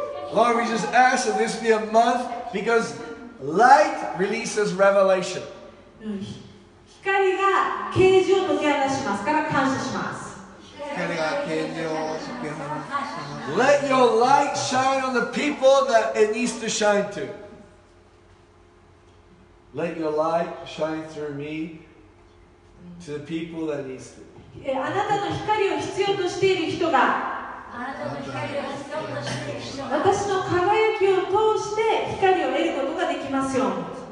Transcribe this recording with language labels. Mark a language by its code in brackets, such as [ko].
[en] Lord, we just ask that this be a month because light releases revelation. [ja] 光が啓示を解き放しますから感謝します。光が啓示を解き放します。 [en] Let your light shine on the people that it needs to shine to. Let your light shine through me to the people that needs to. [ja] あなたの光を必要としている人が、私の輝きを通して光を得ることができますように。